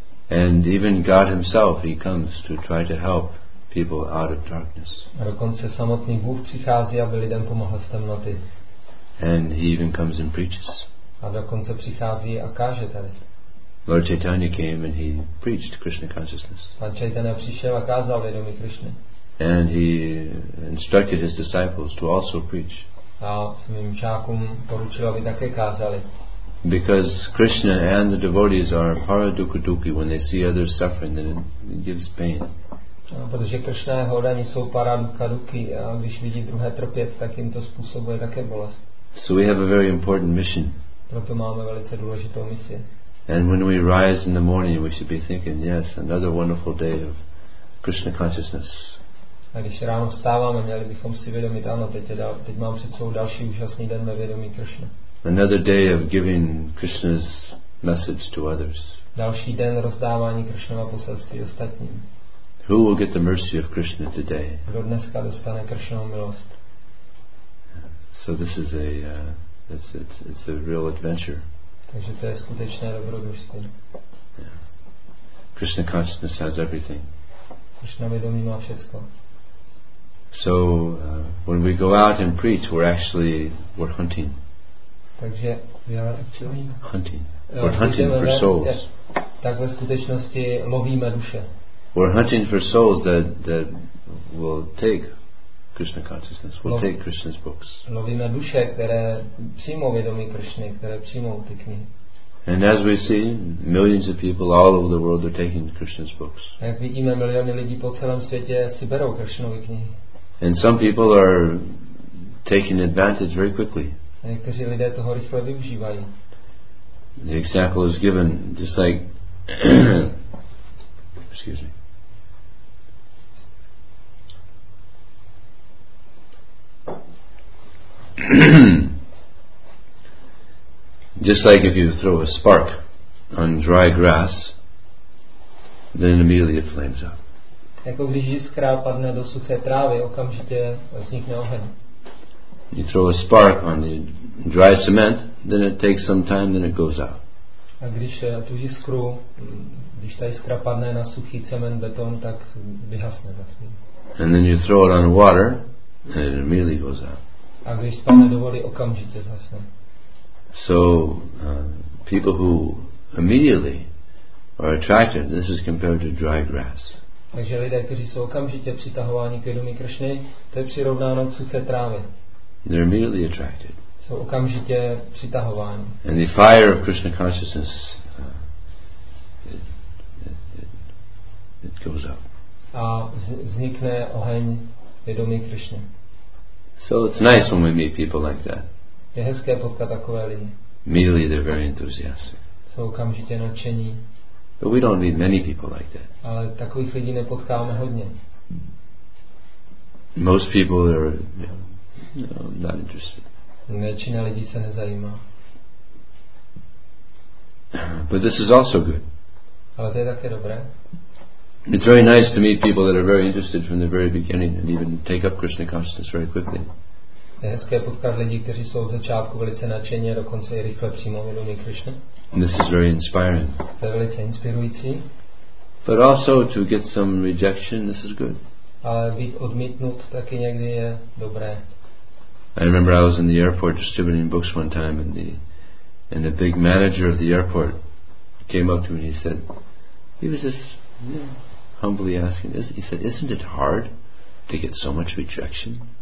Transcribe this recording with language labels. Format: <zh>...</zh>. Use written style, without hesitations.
<en>And even God himself, he comes to try to help people out of darkness.</en> <cs>A dokonce samotný Bůh přichází, aby lidem pomohl z temnoty.</cs> <en>And he even comes and preaches.</en> <cs>A dokonce přichází a káže tady.</cs> <en>Lord Chaitanya came and he preached Krishna consciousness.</en> <cs>Pan Chaitanya přišel a kázal vědomí Krishna.</cs> <en>And he instructed his disciples to also preach.</en> <cs>A svým žákům poručil, aby také kázali.</cs> <en>Because Krishna and the devotees are paradukaduki, when they see others suffering, then it gives pain.</en> <cs>No, protože Krishna a jeho oddaní jsou paradukaduki, a když vidí druhé trpět, tak jim to způsobuje také bolest.</cs> <en>So we have a very important mission.</en> <cs>Proto máme velice důležitou misi.</cs> <en>And when we rise in the morning, we should be thinking, yes, another wonderful day of Krishna consciousness.</en> <cs>A když ráno vstáváme, měli bychom si vědomit, ano, teď mám před sebou další úžasný den ve vědomí Krishna.</cs> <en>Another day of giving Krishna's message to others.</en> <cs>Další den rozdávání Krishnova poselství ostatním.</cs> <en>Who will get the mercy of Krishna today?</en> <cs>Kdo dneska dostane Krishnovu milost?</cs> <en>So this is a it's a real adventure.</en> <cs>Takže to je skutečné dobrodružství.</cs> <en>Yeah. Krishna consciousness has everything.</en> <cs>Krishna vědomí má všechno.</cs> <en>So when we go out and preach, we're hunting.</en> <cs>Takže</cs> <en>we are actually hunting. We're hunting for souls.</en> <cs>Tak ve skutečnosti lovíme duše.</cs> <en>We're hunting for souls that will take Krishna consciousness, take Krishna's books.</en> <cs>Lovíme duše, které přijmou vědomí Krishny, které přijmou ty knihy.</cs> <en>And as we see, millions of people all over the world are taking Krishna's books.</en> <cs>Jak vidíme, miliony lidí po celém světě si berou Krishnovy knihy.</cs> <en>And some people are taking advantage very quickly.</en> <cs>Někteří lidé toho rychle využívají.</cs> <en>The example is given just like excuse me. Just like if you throw a spark on dry grass, then it immediately flames up.</en> <cs>Jako když jiskra padne do suché trávy, okamžitě vznikne oheň.</cs> <en>You throw a spark on the dry cement, then it takes some time, then it goes out.</en> <cs>A když tu jiskru, když ta jiskra padne na suchý cement, beton, tak vyhasne za chvíli.</cs> <en>And then you throw it on water, and it immediately goes out.</en> <cs>A když spadne do vody, okamžitě zhasne.</cs> <en>So people who immediately are attracted, this is compared to dry grass.</en> <cs>Takže lidé, kteří jsou okamžitě přitahováni k vědomí Krishny, to je přirovnáno k suché trávě.</cs> <en>They're immediately attracted.</en> <cs>Jsou okamžitě přitahováni.</cs> <en>And the fire of Krishna consciousness it goes up.</en> <cs>A vznikne oheň vědomí Krishny.</cs> <en>So it's nice when we meet people like that.</en> <cs>Je hezké potkat takové lidi.</cs> <en>Immediately they're very enthusiastic.</en> <cs>Jsou okamžitě nadšení.</cs> <en>But we don't meet many people like that.</en> <cs>Ale takových lidí nepotkáme hodně.</cs> <en>Most people are not interested.</en> <cs>Většina lidí se nezajímá.</cs> <en>But this is also good.</en> <cs>Ale to je také dobré.</cs> <en>It's very nice to meet people that are very interested from the very beginning and even take up Krishna consciousness very quickly.</en> <cs>Je hezké potkat lidi, kteří jsou od začátku velice nadšení a dokonce i rychle přijmou vědomí Krishna.</cs> <en>This is very inspiring.</en> <cs>To je velice inspirující.</cs> <en>But also to get some rejection, this is good.</en> <cs>Ale být odmítnut taky někdy je dobré.</cs> <en>I remember I was in the airport distributing books one time and the big manager of the airport came up to me and he said, he was just humbly asking, he said, isn't it hard to get so much rejection?</en>